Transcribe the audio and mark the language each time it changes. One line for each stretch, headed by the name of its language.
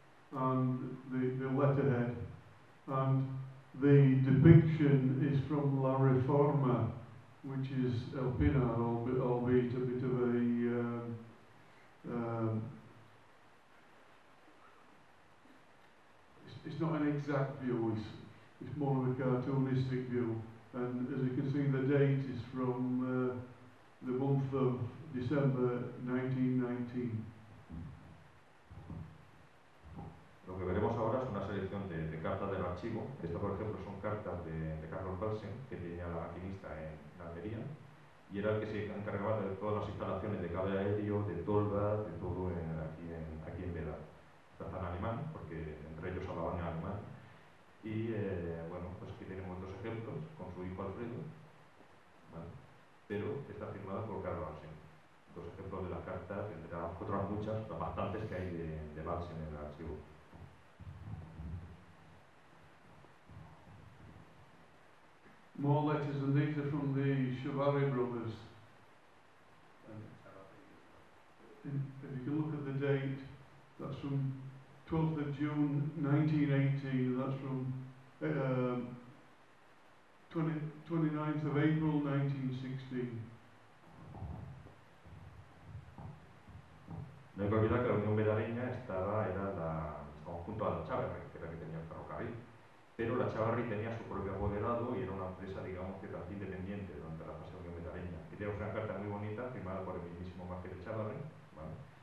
English: And the letterhead, and the depiction is from La Reforma, which is El Pinar, albeit a bit of a it's not an exact view, it's more of a cartoonistic view, and as you can see the date is from the month of December 1919.
Spanish: Lo que veremos ahora es una selección de cartas del archivo. Estas, por ejemplo, son cartas de Carlos Balsen, que tenía la maquinista en Almería. y era el que se encargaba de todas las instalaciones de cable aéreo, de tolda, de todo aquí en Bédar. Estaban alemán, porque entre ellos hablaban en alemán. Y bueno, pues aquí tenemos otros ejemplos, con su hijo Alfredo, ¿vale? Pero está firmada por Carlos Arsen. Dos ejemplos de las cartas, entre las otras muchas, las bastantes que hay de Balsen en el archivo.
English: More letters and these are from the Shavari brothers. If you can look at the date, that's from 12th of June 1918, and that's from 29th of April 1916.
Spanish: No hay que olvidar que la Unión Bedareña estaba junto a la Chavarri, que era la que tenía el ferrocarril. Pero la Chavarri tenía su propio apoderado y era una empresa, digamos, que era independiente durante la fase de Unión Bedareña. Y tenemos una carta muy bonita firmada por el mismísimo Marqués de Chavarri, ¿vale?